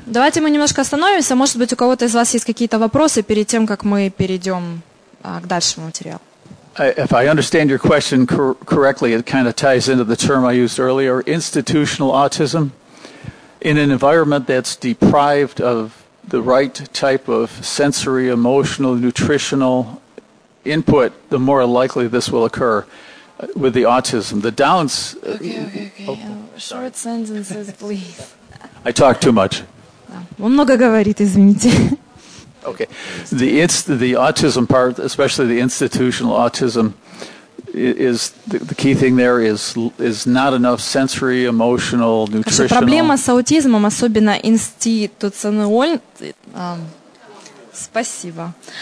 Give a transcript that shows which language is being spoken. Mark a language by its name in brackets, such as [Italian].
[Russian] Давайте мы немножко остановимся. Может быть, у кого-то из вас есть какие-то вопросы перед тем, как мы перейдем к дальшему материалу. [English] If I understand your question correctly, it kind of ties into the term I used earlier, institutional autism, in an environment that's deprived of the right type of sensory, emotional, nutritional input, the more likely this will occur with the autism. The Downs... Okay. Short sentences, please. I talk too much. [Russian] Он много говорит, извините. [English] Okay. The autism part, especially the institutional autism, is the key thing there is not enough sensory, emotional, nutritional... [Russian] Проблема с аутизмом, особенно институциональный... Спасибо.